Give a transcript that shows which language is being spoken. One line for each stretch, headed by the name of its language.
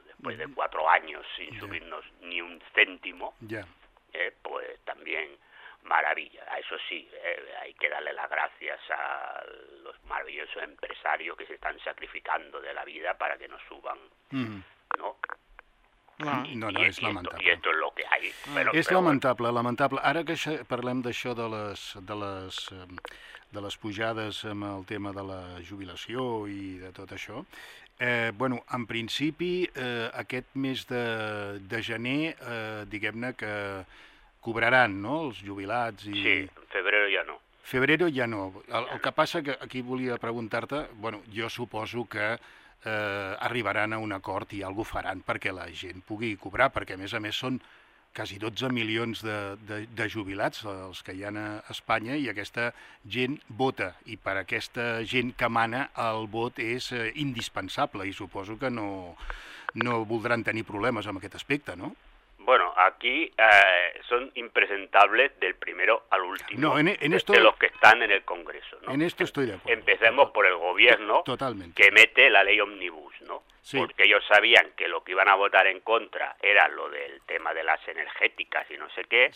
Spanish: Después de 4 años sin subirnos ni un céntimo, pues también maravilla. A eso sí, hay que darle las gracias a los maravillosos empresarios que se están sacrificando de la vida para que nos suban, ¿no?
Catalan: No, és lamentable.
Spanish: Y esto es lo que hay. Pero,
Catalan: és lamentable, lamentable. Ara que parlem d'això de les... de les pujades amb el tema de la jubilació i de tot això. Bueno, en principi, aquest mes de gener, diguem-ne que cobraran, no?, els jubilats i... Sí, febrero ja no. Febrero ja no. El que passa que aquí volia preguntar-te, bueno, jo suposo que arribaran a un acord i alguna cosa faran perquè la gent pugui cobrar, perquè a més són quasi 12 milions de jubilats, els que hi ha a Espanya, i aquesta gent vota. I per aquesta gent que mana, el vot és indispensable i suposo que no voldran tenir problemes amb aquest aspecte, no?
Spanish: Bueno, aquí son impresentables del primero al último, no, en esto, de los que están en el Congreso, ¿no? En esto estoy de acuerdo. Empecemos por el gobierno, totalmente, que mete la ley ómnibus, ¿no? Sí. Porque ellos sabían que lo que iban a votar en contra era lo del tema de las energéticas y no sé qué,